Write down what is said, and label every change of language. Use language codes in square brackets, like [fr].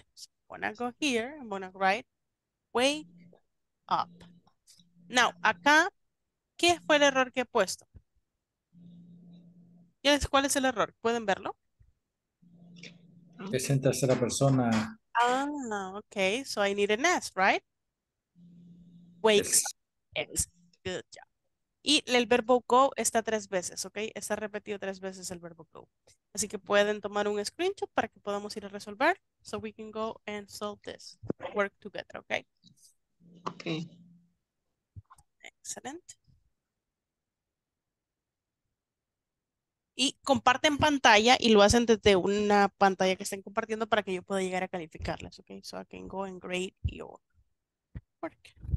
[en] So I'm gonna go here, I'm gonna write, wake up. [es] Now, acá, ¿qué fue el error que he puesto? Yes, ¿cuál es el error? ¿Pueden verlo? Es en tercera persona. [en] Ah, okay, so I need an S, right? Wake yes. up. Good job. [es] Y el verbo go está tres veces, okay? Está repetido tres veces el verbo go. Así que pueden tomar un screenshot para que podamos ir a resolver. [en] So we can go and solve this. Work together, okay? Okay. Excellent. [es] Y comparten pantalla y lo hacen desde una pantalla que estén compartiendo para que yo pueda llegar a calificarlas, ok? [en] So I can go and grade your work.